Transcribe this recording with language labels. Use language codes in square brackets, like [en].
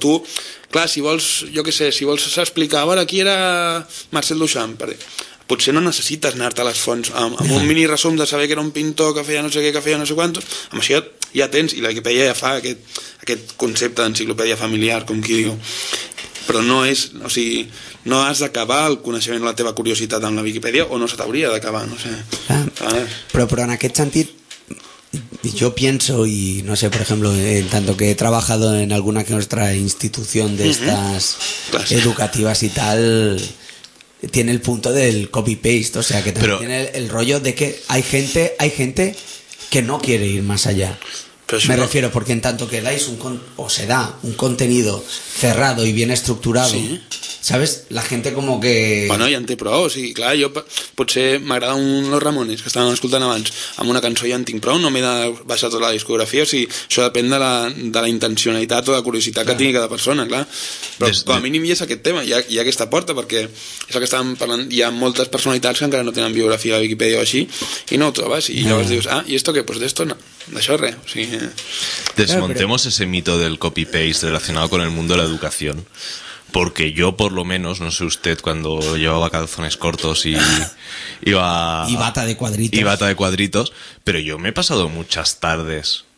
[ca] Tu, clar, si vols, jo què sé, si vols explicar, a veure, qui era Marcel Duchamp, perquè potser no necessites anar-te a les fonts amb un mini resum de saber que era un pintor que feia no sé què, que feia no sé quantos, amb això ja tens, i la Wikipedia ja fa aquest concepte d'enciclopèdia familiar, com qui diu. Però no és, o sigui, no has d'acabar el coneixement, la teva curiositat amb la Wikipedia, o no se t'hauria d'acabar, no sé. Però en aquest sentit, [es] yo pienso, y no sé, por ejemplo, en tanto que he trabajado en alguna que otra institución de estas educativas y tal, tiene el punto del copy-paste, o sea, que también tiene el rollo de que hay gente que no quiere ir más allá. Me refiero, porque en tanto que dais un contenido cerrado y bien estructurado, sí. ¿Sabes? La gente como que... [ca] Bueno, ja en té prou, o sigui, clar, jo potser m'agrada los Ramones, que estàvem escoltant abans, amb una cançó ja en tinc prou, no m'he de baixar tota la discografia, o sigui, això depèn de la intencionalitat o de curiositat que tingui cada persona, clar. Però com a mínim hi és aquest tema, hi ha aquesta porta, perquè és el que estàvem parlant, hi ha moltes personalitats que encara no tenen biografia a Wikipedia o així, i no ho trobes, i llavors dius, [es] ¿y esto qué? Pues de esto no. [ca] D'això res, o sigui... [es] Desmontemos ese mito del copy-paste relacionado con el mundo de la educación. Porque yo, por lo menos, no sé usted, cuando llevaba calzones cortos y iba... Y bata de cuadritos. Pero yo me he pasado muchas tardes...